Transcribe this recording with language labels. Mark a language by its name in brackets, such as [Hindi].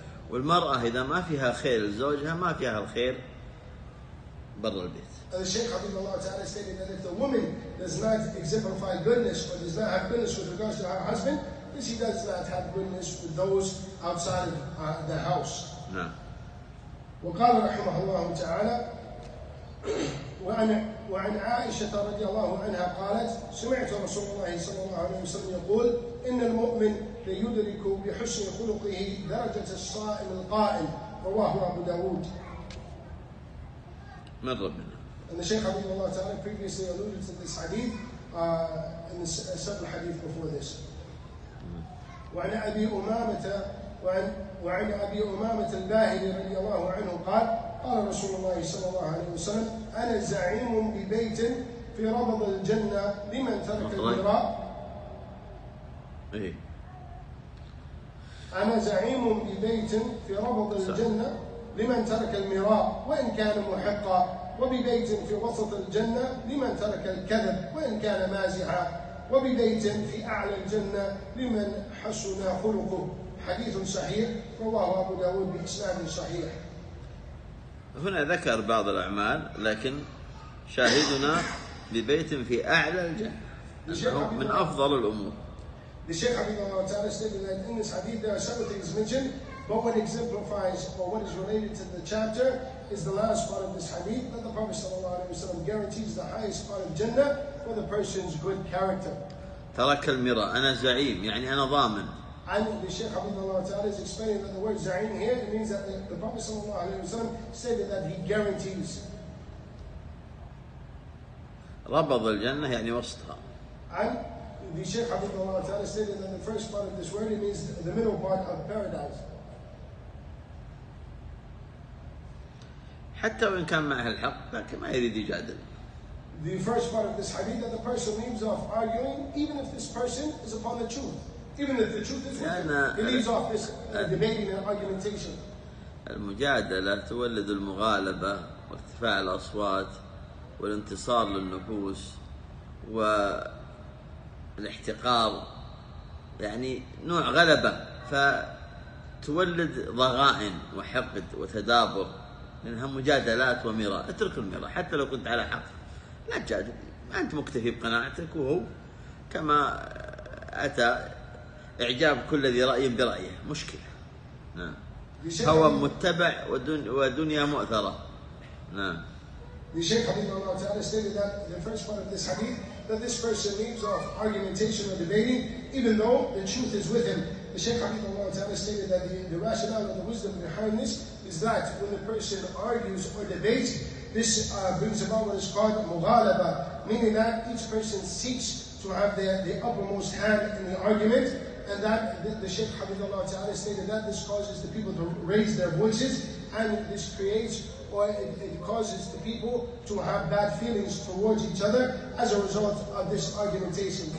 [Arabic] والمرأة إذا ما فيها خير لزوجها ما فيها الخير برا البيت. [English] The Shaykh Hafidhullah Ta'ala stated that if the woman does not exemplify goodness or does not have goodness with regards to her husband, then she does not have goodness with those outside the house. [Arabic] نعم. وقال رحمه الله تعالى وعن عائشة رضي الله عنها قالت سمعت رسول الله صلى الله عليه وسلم يقول إن المؤمن ليدرك بحسن خلقه درجة الصائم القائم رواه أبو داود. من ربنا. [English] And the Shaykh Hafidhullah Allah Ta'ala previously alluded to this hadith in the separate hadith before this. [Arabic] وعن أبي أمامة وعن أبي أمامة الباهلي رضي الله عنه قال قال رسول الله صلى الله عليه وسلم أنا زعيم ببيت في ربض الجنة لمن ترك الدراء. إيه. أنا زعيم ببيت في ربض الجنة لمن ترك المراء وإن كان محقا وببيت في وسط الجنة لمن ترك الكذب وإن كان مازحا وببيت في أعلى الجنة لمن حسن خلقه حديث صحيح رواه أبو داود بإسناد صحيح. هنا ذكر بعض الأعمال لكن شاهدنا ببيت في أعلى الجنة من أفضل الأمور. [English] The Shaykh Hafidhullah Ta'ala stated that in this hadith there are several things mentioned, but what exemplifies or what is related to the chapter is the last part of this hadith, that the Prophet sallallahu alayhi wa sallam guarantees the highest part of Jannah for the person's good character. [Arabic] تَرَكَ الْمِرَى أَنَا زَعِيمٌ يعني أنا ضامن. الشيخ حفظه الله تعالى [English] is explaining that the word زعيم here, it means that the Prophet [Arabic] صلى الله عليه وسلم [English] said that he guarantees. [Arabic] ربض الجنة يعني وسطها. [English] The Shaykh Habibullah Allah Ta'ala stated that the first part of this word it means the middle part of paradise. [Arabic] حتى وإن كان معه الحق لكن ما يريد يجادل. [English] The first part of this hadith that the person leaves off arguing even if this person is upon the truth. Even if the truth is wrong, he leaves off this debating and argumentation. [Arabic] المجادلة تولد المغالبة وارتفاع الأصوات والانتصار للنفوس و الاحتقار يعني نوع غلبة فتولد ضغائن وحقد وتدابر لأنها مجادلات ومراء اترك المراء حتى لو كنت على حق لا تجادل أنت مكتفي بقناعتك وهو كما أتى إعجاب كل ذي رأي برأيه مشكلة نعم هو متبع ودنيا مؤثرة نعم [English] The Shaykh Habibullah Allah Ta'ala stated that in the first part of this hadith that this person leaves off argumentation or debating even though the truth is with him. The Shaykh Habibullah Allah Ta'ala stated that the rationale and the wisdom behind this is that when the person argues or debates, this brings about what is called mughalaba, meaning that each person seeks to have the uppermost hand in the argument and that the Shaykh Habibullah Allah Ta'ala stated that this causes the people to raise their voices and this creates or it causes the people to have bad feelings towards each other as a result of this argumentation.